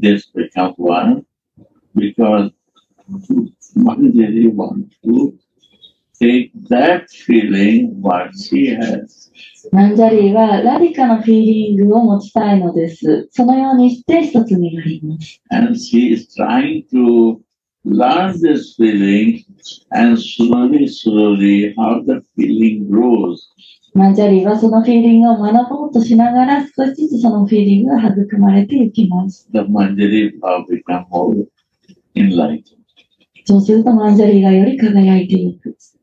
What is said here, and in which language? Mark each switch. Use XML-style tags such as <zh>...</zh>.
<en>This become one because Manjari wants to take that feeling what she has.</en> <ja>Manjari はラディカのフィーリングを持ちたいのです。そのようにして一つになります。</ja> <en>And she is trying to learn this feeling. And slowly, slowly, how the feeling grows.</en> <ja>Manjari はそのフィーリングを学ぼうとしながら少しずつそのフィーリングが育まれていきます。</ja> <en>The Manjari will become more enlightened.</en> <ja>そうするとマンジャリがより輝いていく。</ja>